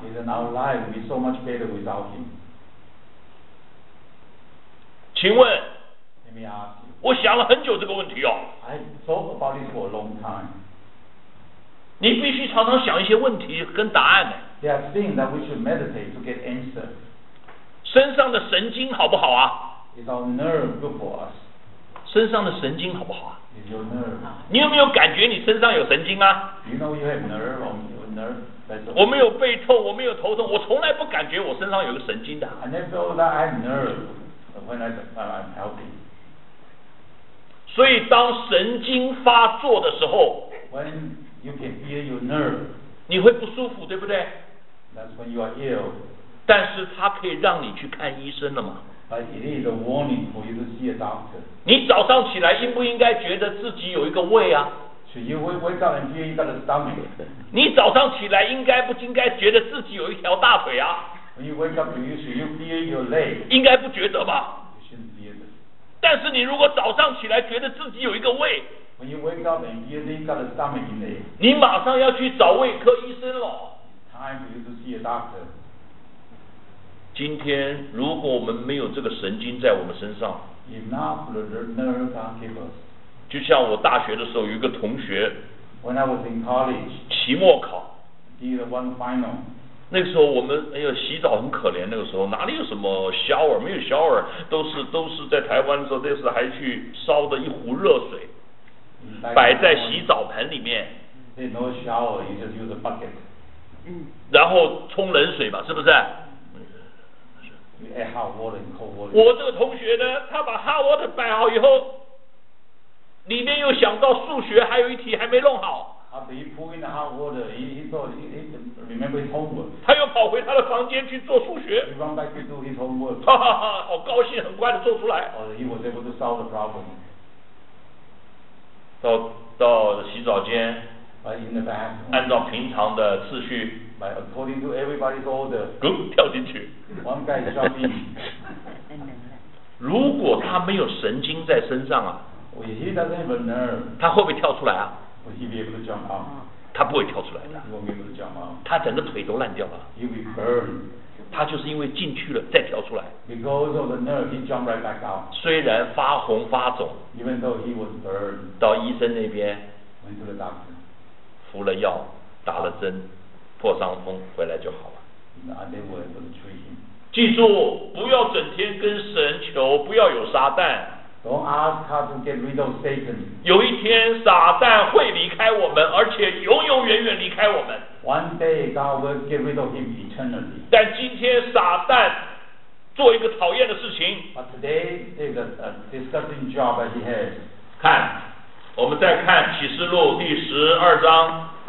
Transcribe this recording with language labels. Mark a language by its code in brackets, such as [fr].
[en] Isn't our life be so much better without him? [zh] 请问。 [en] Let me ask. [zh] 我想了很久这个问题哦。 [en] I thought about this for a long time. [zh] 你必须常常想一些问题跟答案。 [en] There are things that we should meditate to get answers. [zh] 身上的神经好不好啊？ [en] Is our nerve good for us? [zh] 身上的神经好不好啊？ [en] Is your nerve? [zh] 你有没有感觉你身上有神经啊？ [en] You know you have nerve on your nerve. [zh] 我没有背痛，我没有头痛，我从来不感觉我身上有个神经的。 [en] I never thought that I have nerve when I'm healthy. [zh] 所以当神经发作的时候， [en] When you can feel your nerve, [zh] 你会不舒服，对不对？ [en] That's when you are ill. [zh] 但是它可以让你去看医生了嘛？ [en] But it is a warning for you to see a doctor. [zh] 你早上起来应不应该觉得自己有一个胃啊？ [en] Should you wake up and feel you got a stomach? [zh] 你早上起来应该不应该觉得自己有一条大腿啊？ [en] When you wake up, should you feel your leg? [zh] 应该不觉得吧？但是你如果早上起来觉得自己有一个胃， [en] When you wake up and you got a stomach in there, [zh] 你马上要去找胃科医生了。 [en] Time for you to see a doctor. [zh] 今天如果我们没有这个神经在我们身上， [en] If not for the nerve God gave us, [zh] 就像我大学的时候有一个同学， [en] When I was in college, [zh] 期末考， [en] Did one final. [zh] 那时候我们哎呦洗澡很可怜，那个时候哪里有什么 shower， 没有 shower， 都是在台湾的时候，那时候还去烧的一壶热水摆在洗澡盆里面。 [en] No shower, you just use a bucket. [zh] 然后冲冷水嘛，是不是？ [en] You add hot water and cold water. [zh] 我这个同学呢，他把 [en] hot water [zh] 摆好以后，里面又想到数学还有一题还没弄好。 [en] After he pulled in the hot water, he thought he remembered his homework. [zh] 他又跑回他的房间去做数学。 [en] He went back to do his homework. [zh] 哈哈哈，好高兴，很快的做出来。 [en] Oh, he was able to solve the problem. [zh] 到洗澡间。 [en] In the bathroom. [zh] 按照平常的次序。 [en] By according to everybody's order. [zh] 咕，跳进去。 [en] One guy jumped in. [zh] 如果他没有神经在身上啊。 [en] Well, he doesn't have a nerve. [zh] 他会不会跳出来啊？ [en] Will he be able to jump out? [zh] 他不会跳出来的。 [en] He won't be able to jump out. [zh] 他整个腿都烂掉了。 [en] He'll be burned. [zh] 他就是因为进去了再跳出来。 [en] Because of the nerve, he jumped right back out. [zh] 虽然发红发肿。 [en] Even though he was burned. [zh] 到医生那边。 [en] Went to the doctor. [zh] 服了药，打了针，破伤风回来就好了。 [en] And they were able to treat him. [zh] 记住，不要整天跟神求，不要有撒旦。 [en] Don't ask God to get rid of Satan. [zh] 有一天，撒旦会离开我们，而且永永远远离开我们。 [en] One day God will get rid of him eternally. [zh] 但今天，撒旦做一个讨厌的事情。 [en] But today is a disgusting job that he has. [zh] 看，我们再看启示录第十二章。